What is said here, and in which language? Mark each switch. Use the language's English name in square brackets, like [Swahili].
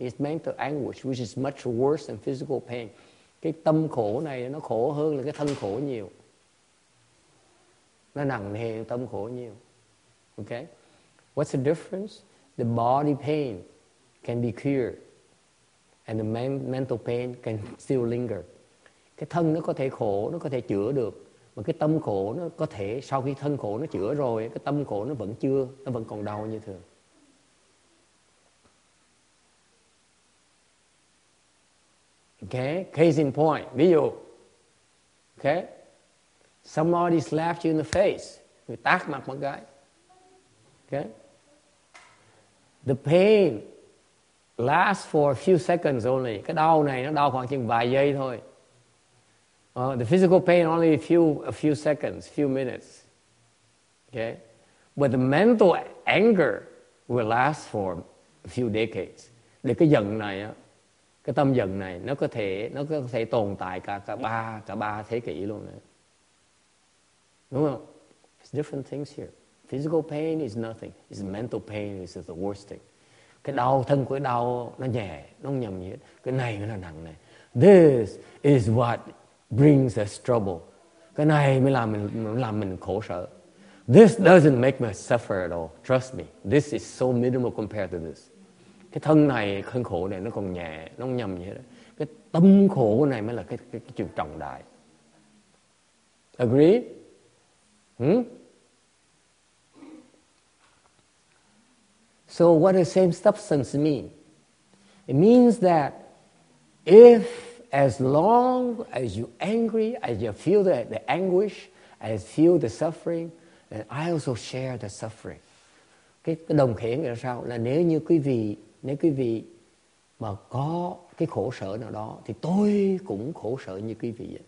[English] It's mental anguish, which is much worse than physical pain. [Vietnamese] Cái tâm khổ này nó khổ hơn là cái thân khổ nhiều. Nó nặng nề hơn tâm khổ nhiều. [English] Okay? What's the difference? The body pain can be cured. And the mental pain can still linger. [Vietnamese] Cái thân nó có thể khổ, nó có thể chữa được. Mà cái tâm khổ nó có thể, sau khi thân khổ nó chữa rồi, cái tâm khổ nó vẫn chưa, nó vẫn còn đau như thường. [English] Okay, case in point. [Vietnamese] Ví dụ, [English] okay, somebody slapped you in the face. [Vietnamese] Người tát mặt một cái. [English] Okay, the pain lasts for a few seconds only. [Vietnamese] Cái đau này nó đau khoảng chừng vài giây thôi. [English] The physical pain only a few seconds, few minutes. Okay, but the mental anger will last for a few decades. [Vietnamese] Để cái giận này á. Cái tâm giận này nó có thể tồn tại cả ba thế kỷ luôn đấy. Đúng không? [English] It's different things here. Physical pain is nothing. It's mental pain is the worst thing. [Vietnamese] Cái đau thân của đau nó nhẹ, nó không nhầm gì hết. Cái này mới là nặng này. [English] This is what brings us trouble. [Vietnamese] Cái này mới làm mình khổ sở. [English] This doesn't make me suffer at all. Trust me. This is so minimal compared to this. [Vietnamese] Cái thân này, thân khổ này nó còn nhẹ, nó không nhầm gì hết. Cái tâm khổ này mới là cái chuyện trọng đại. [English] Agree? So what does same substance mean? It means that if as long as you're angry, as you feel the anguish, as feel the suffering, then I also share the suffering. [Vietnamese] Cái đồng khế nghĩa là sao? Là nếu như quý vị mà có cái khổ sở nào đó thì tôi cũng khổ sở như quý vị vậy.